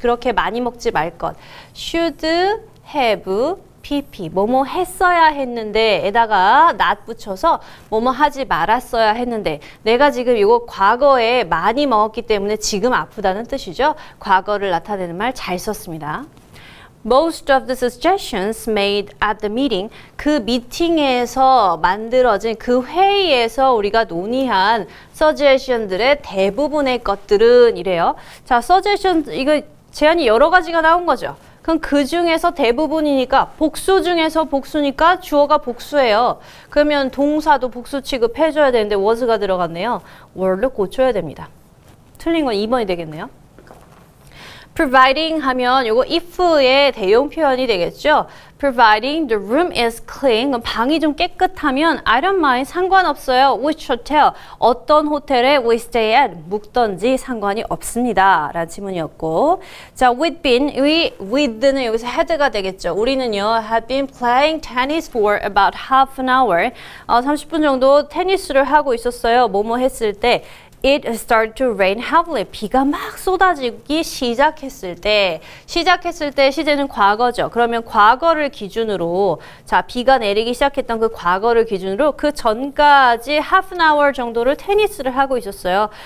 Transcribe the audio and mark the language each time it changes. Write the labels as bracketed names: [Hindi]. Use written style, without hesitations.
[Korean] 그렇게 많이 먹지 말 것. [English] Should have PP. [Korean] 뭐뭐 했어야 했는데 에다가 not 붙여서 뭐뭐 하지 말았어야 했는데 내가 지금 이거 과거에 많이 먹었기 때문에 지금 아프다는 뜻이죠. 과거를 나타내는 말 잘 썼습니다. [English] Most of the suggestions made at the meeting. [Korean] 그 미팅에서 만들어진 그 회의에서 우리가 논의한 suggestion들의 대부분의 것들은 이래요. 자, suggestion 이거 제안이 여러 가지가 나온 거죠. 그럼 그 중에서 대부분이니까 복수 중에서 복수니까 주어가 복수예요. 그러면 동사도 복수 취급해줘야 되는데 was가 들어갔네요. were 고쳐야 됩니다. 틀린 건 2번이 되겠네요. [English] Providing [Korean] 하면 이거 if의 대용 표현이 되겠죠. [English] Providing the room is clean. [Korean] 방이 좀 깨끗하면 [English] I don't mind. [Korean] 상관없어요. [English] Which hotel? [Korean] 어떤 호텔에 [English] we stay at? [Korean] 묵던지 상관이 없습니다. 라는 질문이었고 자, we'd been, with는 여기서 had가 되겠죠. 우리는요, [English] had been playing tennis for about half an hour. [Korean] 30분 정도 테니스를 하고 있었어요. 뭐뭐 했을 때 [English] It started to rain heavily. [Korean] 비가 막 쏟아지기 시작했을 때, 시제는 과거죠. 그러면 과거를 기준으로, 자, 비가 내리기 시작했던 그 과거를 기준으로 그 전까지 [English] half an hour [Korean] 정도를 테니스를 하고 있었어요.